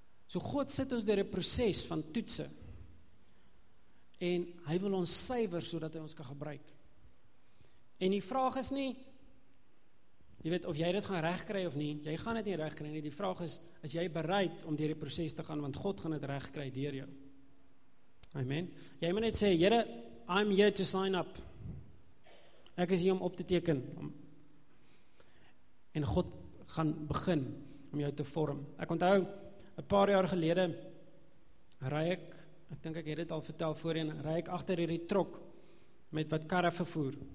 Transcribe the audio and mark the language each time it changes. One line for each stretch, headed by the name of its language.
Afrikaans: So God sit ons deur 'n proses van toetse, en hy wil ons suiwer, sodat hy ons kan gebruik. En die vraag is nie, jy weet, of jy dit gaan regkry of nie, jy gaan dit nie regkry nie, die vraag is, is jy bereid om deur die proses te gaan, want God gaan dit regkry deur jou. Amen. Jy moet net sê, Here,
English: I'm here to sign up.
Afrikaans: Ek is hier om op te teken. En God gaan begin om jou te vorm. Ek onthou, 'n paar jaar gelede, ek het dit al vertel voorheen, ry ek agter hierdie trok met wat karre vervoer.